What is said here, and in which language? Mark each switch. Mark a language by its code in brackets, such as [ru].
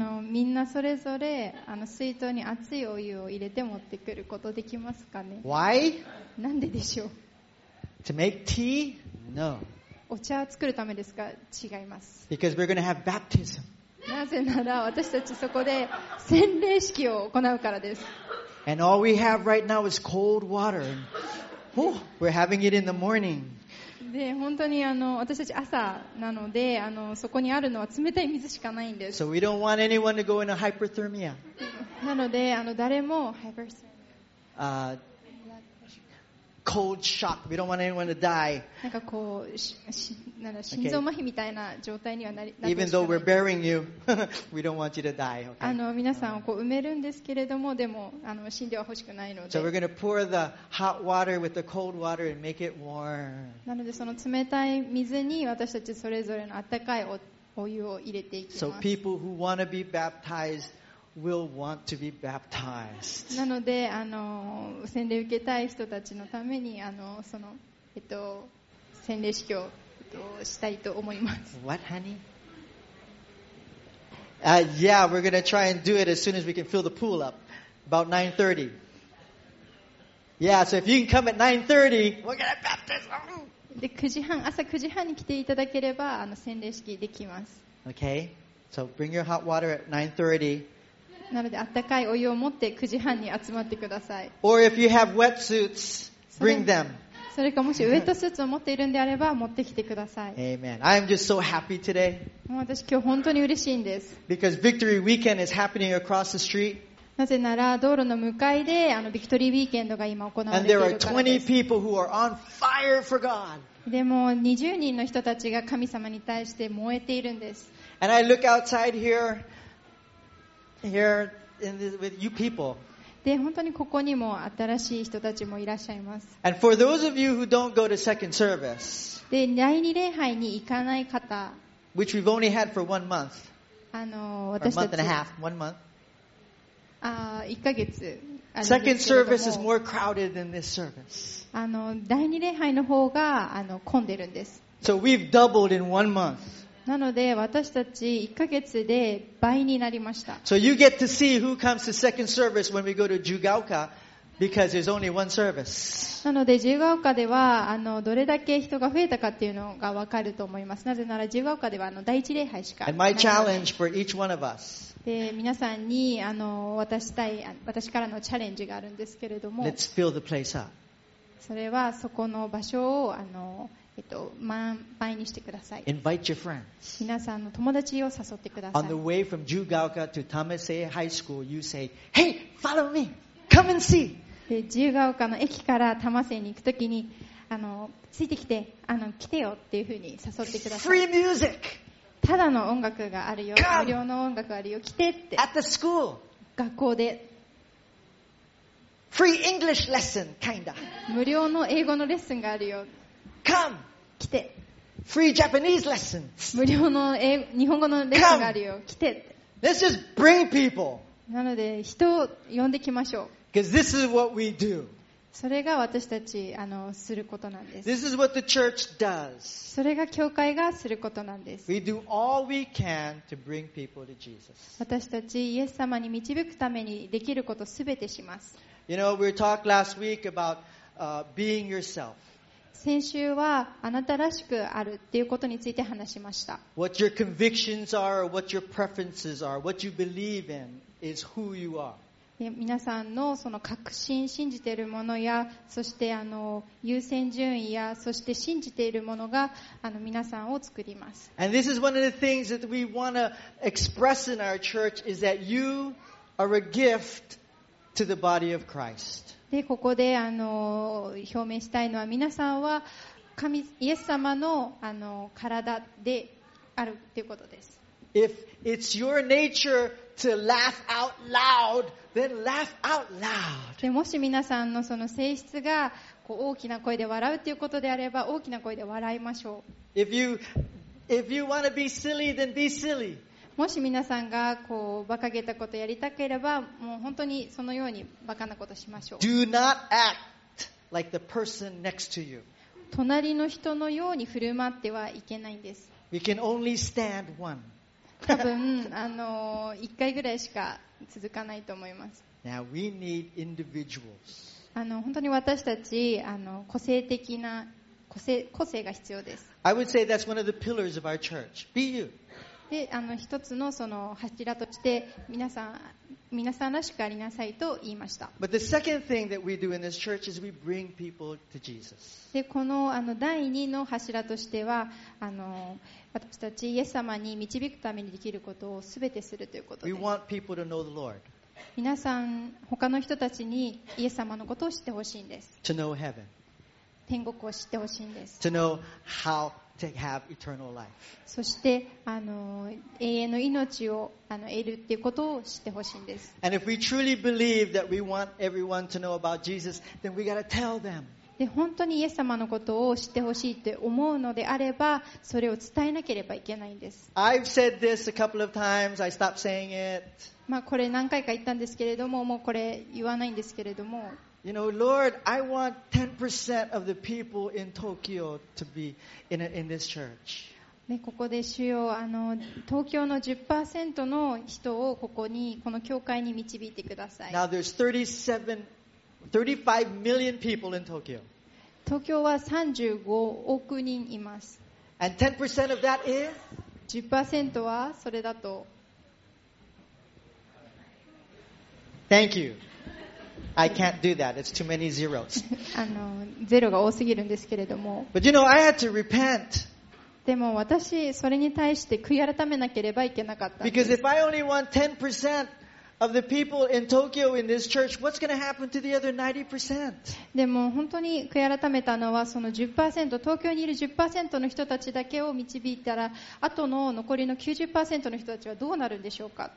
[ja] みんなそれぞれ水筒に熱いお湯を入れて持ってくることできますかね。 [en] Why? [ja] なんででしょう。 [en] To make tea? No. [ja] お茶を作るためですか。違います。 [en] Because we're going to have baptism. [ja] なぜなら私たちそこで洗礼式を行うからです。 [en] And all we have right now is cold water. We're having it in the morning. [ja] で、本当に私たち朝なのでそこにあるのは冷たい水しかないんです。 [en] So we don't want anyone to go into hyperthermia. [ja] なので誰も hyperthermia. [en] Cold shock. We don't want anyone to die. [ja] なんかこう、なんか心臓麻痺みたいな状態にはなり、 [en] okay. Even though we're burying you, we don't want you to die. Okay. [ja] 皆さんをこう埋めるんですけれども、でも死んでは欲しくないので。 [en] So we're going to pour the hot water with the cold water and make it warm. [ja] なのでその冷たい水に私たちそれぞれの温かいお湯を入れていきます。 [en] So people who want to be baptized. Will want to be baptized. [ja] なので洗礼受けたい人たちのために洗礼式を、したいと思います。 [en] What, honey? Yeah, we're gonna try and do it as soon as we can fill the pool up, about 9:30. Yeah, so if you can come at 9:30, we're gonna baptize. [ja] で9時半、朝9時半に来ていただければ、あの洗礼式できます。 [en] Okay, so bring your hot water at 9:30. [ja] なので温かいお湯を持って9時半に集まってください。 [en] Or if you have wetsuits, bring them. [ja] それかもしウェットスーツを持っているんであれば持ってきてください。 [en] Amen. I am just so happy today. [ja] もう私今日本当に嬉しいんです。 [en] Because Victory Weekend is happening across the street. [ja] なぜなら道路の向かいであのビクトリーウィーケンドが今行われているからです。 [en] And there are 20 people who are on fire for God. [ja] でも20人の人たちが神様に対して燃えているんです。 [en] And I look outside here. Here in this, with you people. [ja] で本当にここにも新しい人たちもいらっしゃいます。 [en] And for those of you who don't go to second service, [ja] で第二礼拝に行かない方、 [en] which we've only had for 1 month, [ja] あの私たち、 [en] or month and a half, 1 month, [ja] 一ヶ月。 [en] Second service is more crowded than this service. [ja] あの第二礼拝の方があの混んでるんです。 [en] So we've doubled in 1 month. [ja] なので私たち1ヶ月で倍になりました。 [en] So you get to see who comes to second service when we go to Jugaoka because there's only one service. [ja] なので Jugaoka ではあのどれだけ人が増えたかっていうのがわかると思います。なぜなら Jugaoka ではあの第一礼拝しか。 [en] And my challenge for each one of us. [ja] で皆さんにあの渡したい私からのチャレンジがあるんですけれども。 [en] Let's fill the place up. [ja] それはそこの場所をあの。倍にしてください。 [en] Invite your friends. [ja] 皆さんの友達を誘ってください。 [en] On the way from Jugaoka to Tamase High School, you say, "Hey, follow me. Come and see." [ja] で、Jugaoka の駅から Tamase に行くときに、あのついてきて、あの来てよっていうふうに誘ってください。 [en] Free music. [ja] ただの音楽があるよ。 [en] Come. [ja] 無料の音楽あるよ。来てって。 [en] At the school. [ja] 学校で。 [en] Free English lesson, kinda. [ja] 無料の英語のレッスンがあるよ。 [en] Come. [ja] 来て。 [en] Free Japanese lessons. [ja] 無料の英語、日本語のレッスンがあるよ。 [en] Come. [ja] 来て。 [en] Let's just bring people. [ja] なので人を呼んできましょう。 [en] Because this is what we do. [ja] それが私たちあのすることなんです。 [en] This is what the church does. [ja] それが教会がすることなんです。 [en] We do all we can to bring people to Jesus. [ja] 私たちイエス様に導くためにできることすべてします。 [en] You know, we talked last week about being yourself. [ja] 先週はあなたらしくあるっていうことについて話しました。 [en] What your convictions are, or what your preferences are, what you believe in is who you are. [ja] 皆さんのその確信、信じているものや、そしてあの優先順位や、そして信じているものがあの皆さんを作ります。 [en] And this is one of the things that we want to express in our church is that you are a gift to the body of Christ. [ja] でここであの表明したいのは皆さんは神イエス様 の, あの体であるということです。 [en] If it's your nature to laugh out loud, then laugh out loud. [ja] でもし皆さん の, その性質がこう大きな声で笑うということであれば大きな声で笑いましょう。 [en] If you want to be silly, then be silly. [ja] もし皆さんがこう馬鹿げたことをやりたければもう本当にそのように馬鹿なことをしましょう。 [en] Do not act like the person next to you. [ja] 隣の人のように振る舞ってはいけないんです。 [en] We can only stand one. [ja] 多分一回ぐらいしか続かないと思います。 [en] Now we need individuals. [ja] 本当に私たち個性的な個性が必要です。 [en] I would say that's one of the pillars of our church. Be you. [ja] で一つのその柱として皆さんらしくありなさいと言いました。 [en] But the second thing that we do in this church is we bring people to Jesus. [ja] でこの第二の柱としては私たちイエス様に導くためにできることをすべてするということです。 [en] We want people to know the Lord. [ja] 皆さん他の人たちにイエス様のことを知ってほしいんです。 [en] To know heaven. [ja] 天国を知ってほしいんです。 [en] To know howTo have eternal life. [ja] そして永遠の命を得るっていうことを知ってほしいんです。 [en] And if we truly believe that we want everyone to know about Jesus, then we gotta tell them. [ja] で本当にイエス様のことを知ってほしいって思うのであれば、それを伝えなければいけないんです。 [en] I've said this a couple of times. I stopped saying it. [ja] まあこれ何回か言ったんですけれども、もうこれ言わないんですけれども。 [en] You know, Lord, I want 10% of the people in Tokyo to be in this church. [ja] ね、ここで主よ、東京の 10% の人をここに、この教会に導いてください。 [en] Now there's 37 35 million people in Tokyo. [ja] 東京は35億人います。 [en] And 10% of that is? [ja] 10% はそれだと。 [en] Thank you. I can't do that. It's too many zeros. [ja] あの、ゼロが多すぎるんですけれども。 [en] But you know, I had to repent. [ja] でも私、それに対して悔い改めなければいけなかった。 [en] Because if I only want 10%of the people in Tokyo in this church, what's going to happen to the other 90%? [ja] でも本当に悔い改めたのはその 10%、 東京にいる 10% の人たちだけを導いたら、あとの残りの 90% の人たちはどうなるんでしょうか。